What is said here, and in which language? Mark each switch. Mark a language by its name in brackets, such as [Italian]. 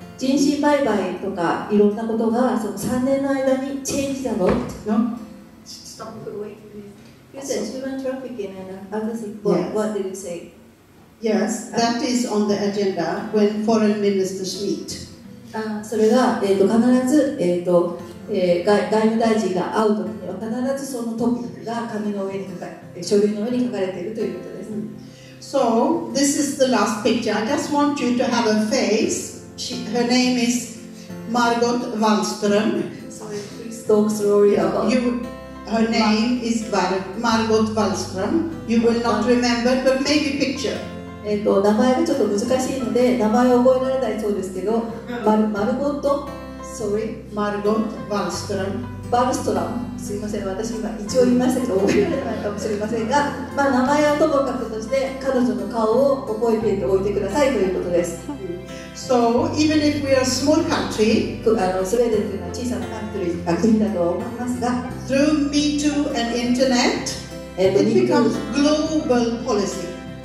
[Japanese] 人身売買とかいろんなことがその3年の間にチェンジだろうって。 [English] No? Stop the way you said human trafficking and other things. What did you say? Yes, that is on the agenda when foreign ministers meet. [Japanese] それが、必ず、外務大臣が会うときには必ずそのトピックが紙の上に書かれ書類の上に書かれているということです。 [English] So this is the last picture. I just want you to have a face. Her name is Margot Wallström. Sorry, please talk slowly about. Her name is Margot Wallström. You will not remember, but maybe picture. [Japanese] 名前がちょっと難しいので名前を覚えられないそうですけど、マルゴット。 [English] Sorry, Margot Wallström. Wallström. [Japanese] すいません、私今一応言いましたけど、覚えられないかもしれませんが、まあ、名前はともかくとして、彼女の顔を覚えておいてくださいということです。 [English] So, even if we are a small country, [Japanese] スウェーデンというのは小さな国だと思いますが、 [English] through Me Too and Internet, it becomes global policy.